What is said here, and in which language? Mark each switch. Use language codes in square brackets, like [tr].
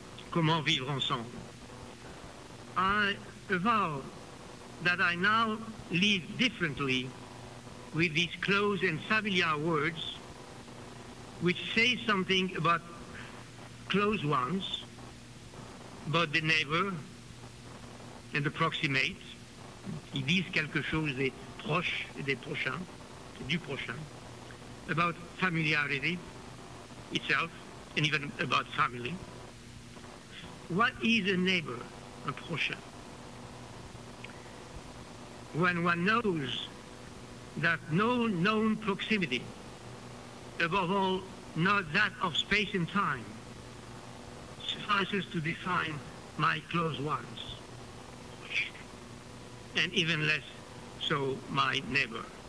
[fr] Comment vivre ensemble. [en] I avow that I now live differently with these close and familiar words, which say something about close ones, about the neighbor and the proximate. [fr] Ils disent quelque chose des proches et des prochains. Du prochain, [en] about familiarity itself, and even about family. What is a neighbor, a prochain? When one knows that no known proximity, above all, not that of space and time, suffices to define my close ones, and even less so my neighbor.